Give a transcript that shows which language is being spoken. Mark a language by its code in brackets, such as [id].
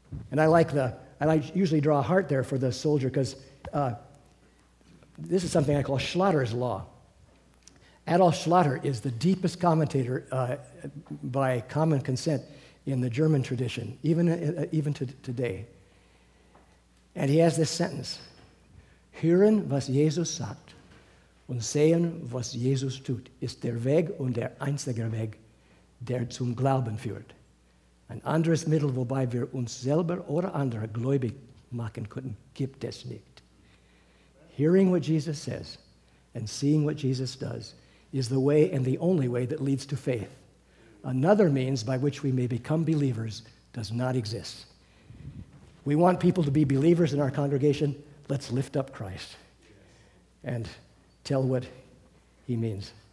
[en] And I usually draw a heart there for the soldier because this is something I call Schlatter's Law. Adolf Schlatter is the deepest commentator by common consent in the German tradition, even to today. And he has this sentence, [de] Hören, was Jesus sagt, und sehen, was Jesus tut, ist der Weg und der einzige Weg, der zum Glauben führt. Ein anderes Mittel, wobei wir uns selber oder andere gläubig machen könnten, gibt es nicht. [en] Hearing what Jesus says and seeing what Jesus does is the way and the only way that leads to faith. Another means by which we may become believers does not exist. We want people to be believers in our congregation. Let's lift up Christ and tell what he means.